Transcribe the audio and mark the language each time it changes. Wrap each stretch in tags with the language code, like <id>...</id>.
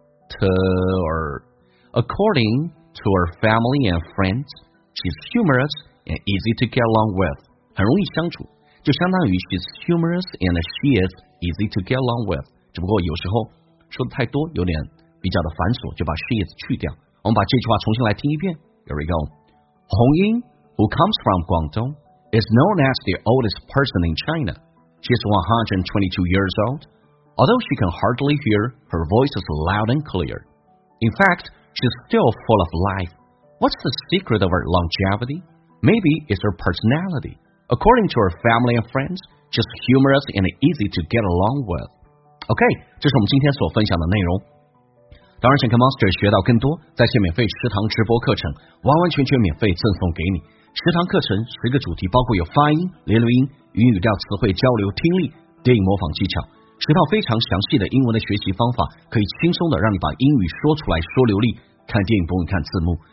<en>To her, according to her family and friends, she's humorous and easy to get along with.</en> <zh>很容易相处，就相当于</zh> <en>she's humorous and she is easy to get along with.</en> <zh>只不过有时候说的太多，有点比较的繁琐，就把</zh> <en>she is</en> <zh>去掉。我们把这句话重新来听一遍。</zh> <en>Here we go. Hong Ying, who comes from Guangdong, is known as the oldest person in China. She's 122 years old. Although she can hardly hear, her voice is loud and clear. In fact, she's still full of life. What's the secret of her longevity? Maybe it's her personality. According to her family and friends, she's humorous and easy to get along with.</en> <zh>OK, 这是我们今天所分享的内容。当然想跟 Monster 学到更多，在线免费食堂直播课程完完全全免费赠送给你。食堂课程十个主题，包括有发音、连读音、语音语调、词汇交流、听力、电影模仿技巧，十套非常详细的英文的学习方法，可以轻松的让你把英语说出来说流利，看电影不用看字幕。</zh>